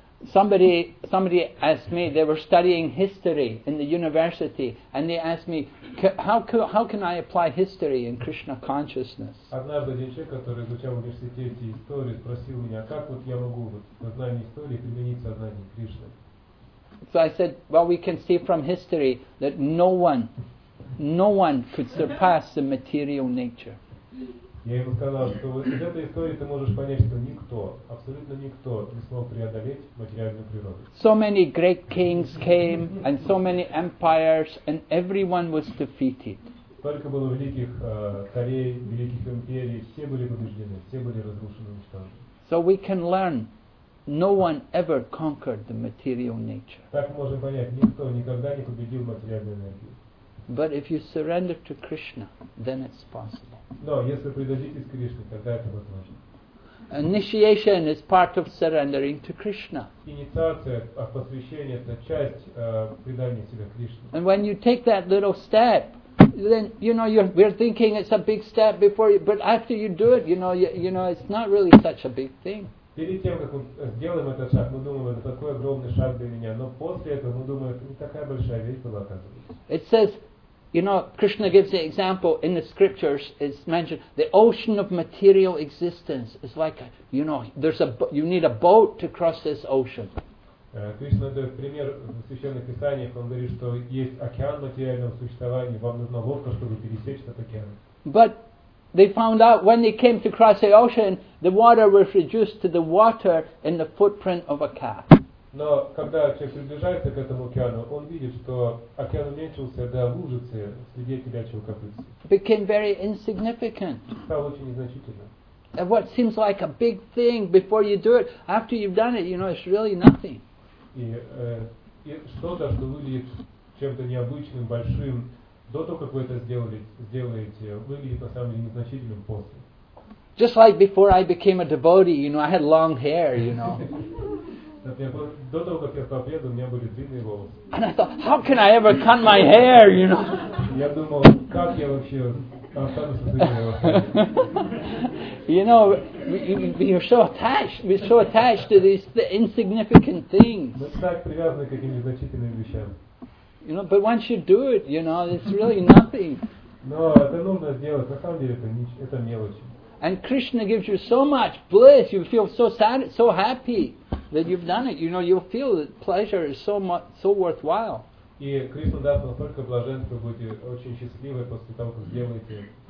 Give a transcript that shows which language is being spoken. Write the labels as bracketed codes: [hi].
[en] Somebody asked me, they were studying history in the university, and they asked me, how can I apply history in Krishna consciousness? [ru] Однажды один человек, который изучал в университете историю, спросил меня, как вот я могу вот сознание истории применить сознание Кришны? [en] So I said, well, we can see from history that no one could surpass the material nature. [ru] Я ему сказал, что из этой истории ты можешь понять, что никто, абсолютно никто, не смог преодолеть материальную природу. [en] So many great kings came, and so many empires, and everyone was defeated. [ru] Только было великих царей, великих империй, все были побеждены, все были разрушены, уничтожены. [en] So we can learn, no one ever conquered the material nature. [ru] Так мы можем понять, никто никогда не победил материальную энергию. [en] But if you surrender to Krishna, then it's possible. [ru] No, если предадитесь Кришне, тогда это возможно. [en] Initiation is part of surrendering to Krishna. [ru] Инициация, а посвящение это часть предания себя Кришне. [en] And when you take that little step, then you know we're thinking it's a big step before, but after you do it, you know it's not really such a big thing. [ru] Перед тем как мы сделаем этот шаг, мы думаем, это такой огромный шаг для меня. Но после этого мы думаем, это не такая большая вещь была, оказывается. [en] It says, you know, Krishna gives the example in the scriptures. It's mentioned the ocean of material existence is like, you know, there's a you need a boat to cross this ocean. [ru] Кришна дает пример в священных писаниях. Он говорит, что есть океан материального существования. Вам нужна лодка, чтобы пересечь этот океан. [en] But they found out when they came to cross the ocean, the water was reduced to the water in the footprint of a calf. [ru] Но когда человек приближается к этому океану, он видит, что океан уменьшился до лужицы среди телячьего копытца. [en] Became very insignificant. [ru] Стал очень незначительным. [en] And what seems like a big thing before you do it, after you've done it, you know, it's really nothing. [ru] И что-то, что выглядит чем-то необычным, большим, до того, как вы это сделаете, выглядит на самом деле незначительным после. [en] Just like before I became a devotee, you know, I had long hair, you know. [ru] До того, как я стал преданным, у меня были длинные волосы. [en] And I thought, how can I ever cut my hair, you know? [ru] Я думал, как я вообще останусь со своими волосами. [en] You know, we're so attached to these insignificant things. [ru] Мы так привязаны к каким-то незначительным вещам. [en] You know, but once you do it, you know, it's really nothing. [ru] Но это нужно сделать. На самом деле, это мелочи. [en] And Krishna gives you so much bliss, you feel so sad, so happy that you've done it. You know, you feel that pleasure is so much, so worthwhile. [ru] И Кришна даст вам столько блаженства, вы будете очень счастливы после того, как сделаете.